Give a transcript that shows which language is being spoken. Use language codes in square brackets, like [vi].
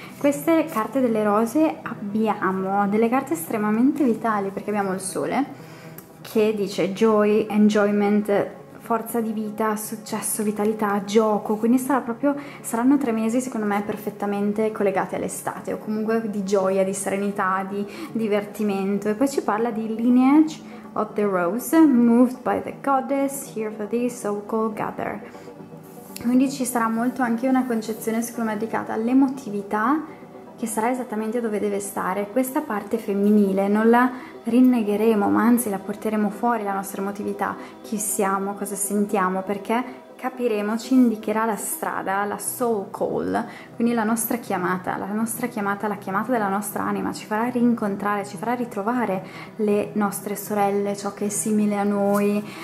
[it] Queste carte delle rose, abbiamo delle carte estremamente vitali perché abbiamo il sole, che dice [en] joy, enjoyment, [it] forza di vita, successo, vitalità, gioco. Quindi saranno tre mesi secondo me perfettamente collegati all'estate, o comunque di gioia, di serenità, di divertimento. E poi ci parla di [en] lineage of the rose, moved by the goddess, here for this so called gather. [it] Quindi ci sarà molto anche una concezione secondo me dedicata all'emotività che sarà esattamente dove deve stare. Questa parte femminile non la rinnegheremo, ma anzi la porteremo fuori, la nostra emotività, chi siamo, cosa sentiamo, perché capiremo, ci indicherà la strada, la soul call, quindi la nostra chiamata, la chiamata della nostra anima, ci farà rincontrare, ci farà ritrovare le nostre sorelle, ciò che è simile a noi.